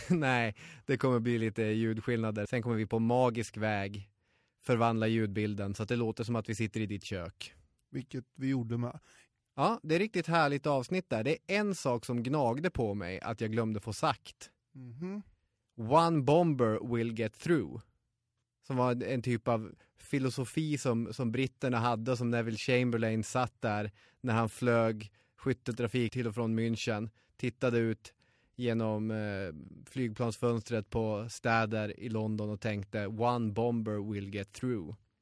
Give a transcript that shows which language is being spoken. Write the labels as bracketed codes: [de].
[sv] Nej, det kommer bli lite ljudskillnader. Sen kommer vi på magisk väg förvandla ljudbilden så att det låter som att vi sitter i ditt kök. Vilket vi gjorde med. Ja, det är riktigt härligt avsnitt där. Det är en sak som gnagde på mig att jag glömde få sagt. Mm-hmm. [en] One bomber will get through. [sv] Som var en typ av filosofi som britterna hade, som Neville Chamberlain satt där när han flög skytteltrafik till och från München. Tittade ut genom flygplansfönstret på städer i London och tänkte [en] one bomber will get through.